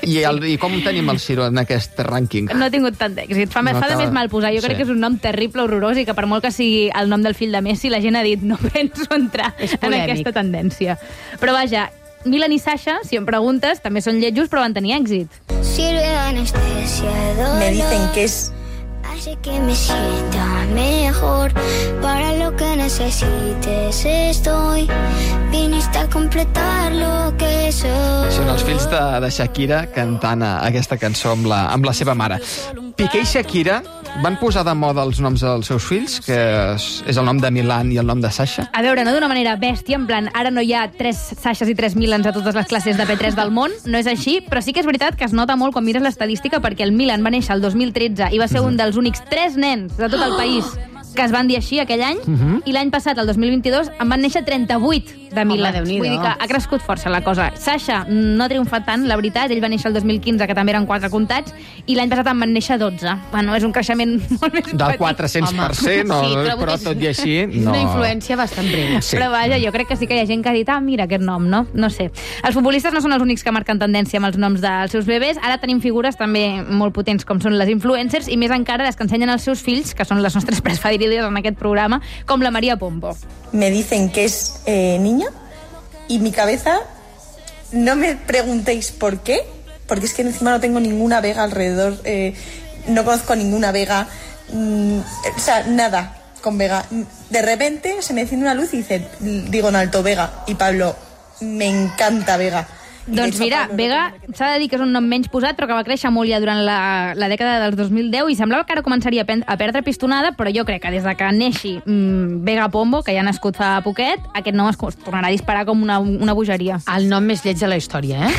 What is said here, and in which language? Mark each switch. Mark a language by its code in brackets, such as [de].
[ca] I com tenim el Ciro en aquest rànquing? No ha tingut tant d'èxit. Fa de més mal posar. Jo crec que és un nom terrible, horrorós, i que per molt que sigui el nom del fill de Messi, la gent ha dit no penso entrar en aquesta tendència. Però vaja... Milan i Sasha, si em preguntes, també són lletjos, però van tenir èxit. [es] Sirve anestesiador. Me dicen que es... Hace que me sienta mejor. Para lo que necesites estoy. Viniste a completar lo que soy. [ca] Són els fills de Shakira cantant aquesta cançó amb la seva mare. Piqué i Shakira van posar de moda els noms dels seus fills, que és el nom de Milan i el nom de Sasha. A veure, no d'una manera bèstia, en plan, ara no hi ha tres Sashas i tres Milans a totes les classes de P3 del món, no és així, però sí que és veritat que es nota molt quan mires l'estadística, perquè el Milan va néixer el 2013 i va ser un dels únics tres nens de tot el país que es van dir així aquell any, i l'any passat, el 2022, en van néixer 38 de Milans. Home, vull dir que ha crescut força la cosa. Sasha no ha triomfat tant, la veritat, ell va néixer el 2015, que també eren 4 comptats, i l'any passat en van néixer 12. Bueno, és un creixement molt més del 400%, però tot i així... No. Una influència bastant brina. Sí. Però vaja, jo crec que sí que hi ha gent que ha dit, ah, mira aquest nom, no? No sé. Els futbolistes no són els únics que marquen tendència amb els noms dels seus bebès. Ara tenim figures també molt potents, com són les influencers, i més encara les que ensenyen els seus fills, que són les nostres preferides en aquest programa, com la Maria Pombo. [es] Me dicen que es niña y mi cabeza no me preguntéis por qué, porque es que encima no tengo ninguna vega alrededor, no conozco ninguna vega, o sea, nada con vega. De repente se me enciende una luz y dice, digo en alto, Vega, y Pablo, me encanta Vega. [ca] Doncs mira, Vega s'ha de dir que és un nom menys posat, però que va créixer molt ja durant la dècada dels 2010 i semblava que ara començaria a perdre pistonada, però jo crec que des de que neixi Vega Pombo, que ja ha nascut fa poquet, aquest nom es tornarà a disparar com una bogeria. El nom més lleig de la història, eh?